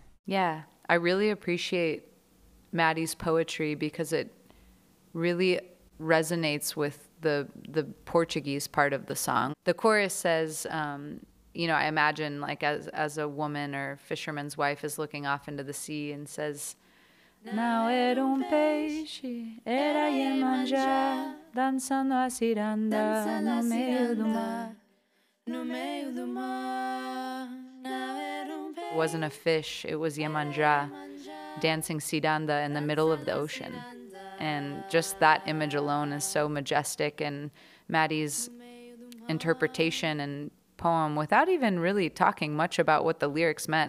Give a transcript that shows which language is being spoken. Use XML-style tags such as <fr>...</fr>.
<en>Yeah, I really appreciate Maddie's poetry because it really resonates with the Portuguese part of the song. The chorus says, you know, I imagine like as a woman or fisherman's wife is looking off into the sea and says,</en> <pt>Não era peixe, era Iemanjá, dançando a ciranda no meio do mar, no meio do mar.</pt> <en>It wasn't a fish, it was Iemanjá dancing ciranda in the middle of the ocean. And just that image alone is so majestic, and Maddie's interpretation and poem, without even really talking much about what the lyrics meant.</en>